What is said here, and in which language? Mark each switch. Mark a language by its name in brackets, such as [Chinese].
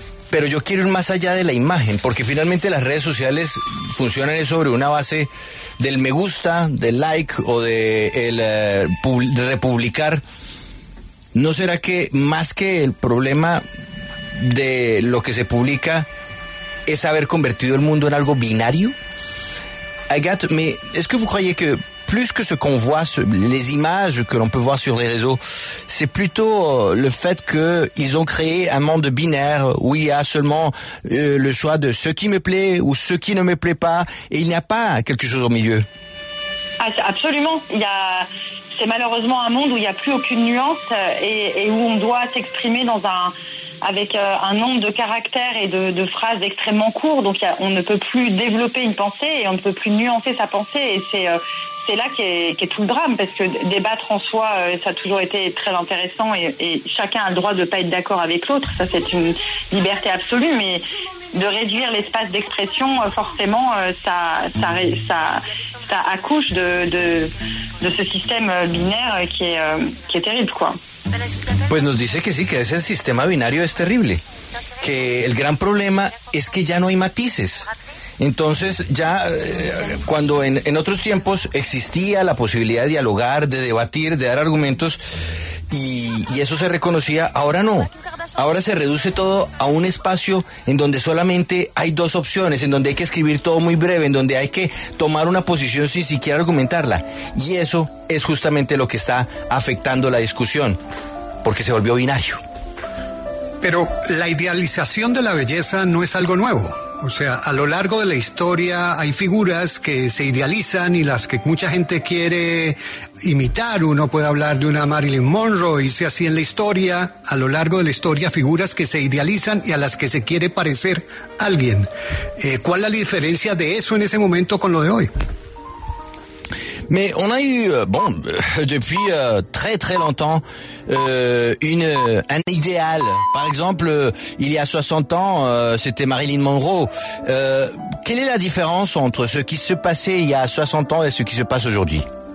[Spanish] Pero yo quiero ir más allá de la imagen, porque finalmente las redes sociales funcionan sobre una base del me gusta, del like o de el republicar. ¿No será que más que el problema de lo que se publica es haber convertido el mundo en algo binario? [French] Agathe, mais est-ce que vous croyez que plus que ce qu'on voit, les images que l'on peut voir sur les réseaux, c'est plutôt le fait qu'ils ont créé un monde binaire où il y a seulement le choix de ce qui me plaît ou ce qui ne me plaît pas, et il n'y a pas quelque chose au milieu. Absolument. C'est malheureusement un monde où il n'y a plus aucune nuance et où on doit s'exprimer avec un nombre de caractères et de phrases extrêmement courts. Donc on ne peut plus développer une pensée et on ne peut plus nuancer sa pensée. Et c'est là qu'est tout le drame, parce que débattre en soi, ça a toujours été très intéressant et chacun a le droit de ne pas être d'accord avec l'autre. Ça, c'est une liberté absolue, mais de réduire l'espace d'expression, forcément, ça accouche de ce système binaire qui est terrible, quoi. [Spanish] Pues nos dice que sí, que ese sistema binario es terrible, que el gran problema es que ya no hay matices. Entonces ya cuando en otros tiempos existía la posibilidad de dialogar, de debatir, de dar argumentos, y eso se reconocía, ahora no. Ahora se reduce todo a un espacio en donde solamente hay dos opciones, en donde hay que escribir todo muy breve, en donde hay que tomar una posición sin siquiera argumentarla. Y eso es justamente lo que está afectando la discusión, porque se volvió binario. Pero la idealización de la belleza no es algo nuevo. O sea, a lo largo de la historia hay figuras que se idealizan y las que mucha gente quiere imitar. Uno puede hablar de una Marilyn Monroe, hice así en la historia. A lo largo de la historia, figuras que se idealizan y a las que se quiere parecer alguien. ¿Cuál es la diferencia de eso en ese momento con lo de hoy? [French] Mais on a eu, bon, depuis très très longtemps, un idéal. Par exemple, il y a 60 ans, c'était Marilyn Monroe. Quelle est la différence entre ce qui se passait il y a 60 ans et ce qui se passe aujourd'hui ?